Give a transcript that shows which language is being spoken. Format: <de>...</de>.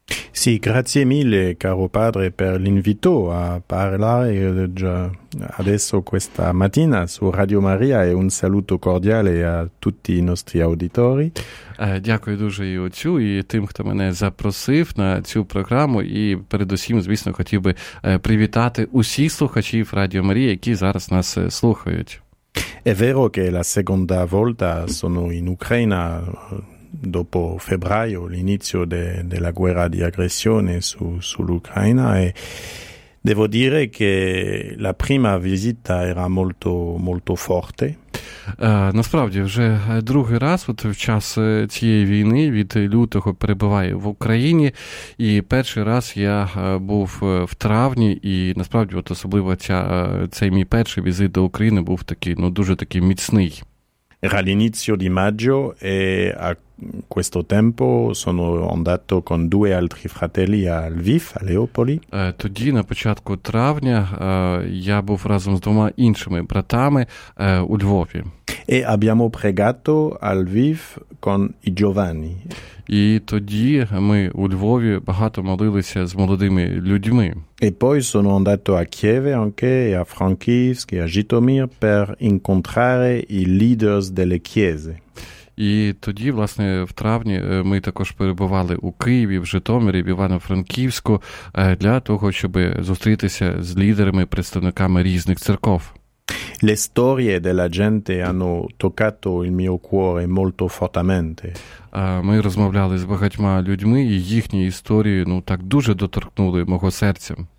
<it>Sì, grazie mille caro padre per l'invito a parlare già adesso questa mattina su Radio Maria e un saluto cordiale a tutti i nostri auditori.</it> <uk>Дякую дуже і отцю, і тим, хто мене запросив на цю програму, і передусім, звісно, хотів би привітати усіх слухачів Радіо Марії, які зараз нас слухають.</uk> <it>È vero che la seconda volta sono in Ucraina dopo febbraio, l'inizio della guerra di aggressione sull'Ucraina, e devo dire che la prima visita era molto molto forte.</it> <uk>Насправді, вже другий раз от в час цієї війни від лютого перебуваю в Україні, і перший раз я був в травні, і насправді от особливо цей мій перший візит до України був такий, ну, дуже такий міцний.</uk> <it>Era l'inizio di maggio e a questo tempo sono andato con due altri fratelli a Lviv, a Leopoli.</it> <uk>Тоді, на початку травня, я був разом з двома іншими братами у Львові.</uk> <it>E abbiamo pregato a Lviv con i giovani.</it> <uk>І тоді ми у Львові багато молилися з молодими людьми.</uk> <it>E poi sono andato a Kiev anche, a Frankivsk, a Zhytomyr per incontrare i leaders delle chiese.</it> <uk>І тоді, власне, в травні ми також перебували у Києві, в Житомирі, в Івано-Франківську для того, щоб зустрітися з лідерами, представниками різних церков.</uk> <it>Le storie della gente hanno toccato il mio cuore molto fortemente.</it> <uk>Ми розмовляли з багатьма людьми, і їхні історії, ну, так дуже доторкнули мого серця.</uk>